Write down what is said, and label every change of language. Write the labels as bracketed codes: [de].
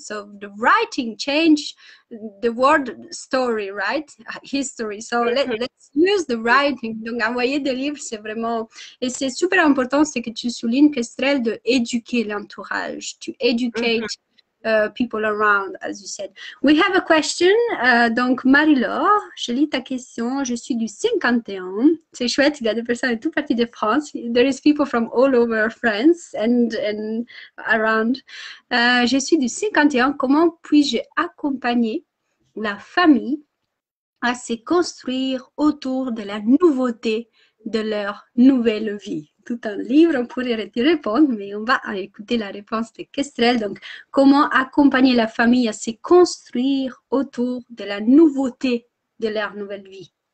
[en] So the writing changed the world story, right? History. So let's use the writing. [fr] Donc, envoyer des livres, c'est vraiment... Et c'est super important, c'est que tu soulignes, Kestrel, d'éduquer l'entourage. [en] To educate people around, as you said. We have a question. [fr] Donc, Marie-Laure, je lis ta question. Je suis du 51. C'est chouette, il y a des personnes de toute partie de France. [en] There is people from all over France and around. [fr] Je suis du 51. Comment puis-je accompagner la famille à se construire autour de la nouveauté de leur nouvelle vie? Tout un livre, on pourrait y répondre, mais on va écouter la réponse de Kestrel. Donc, comment accompagner la famille à se construire autour de la nouveauté de leur nouvelle vie?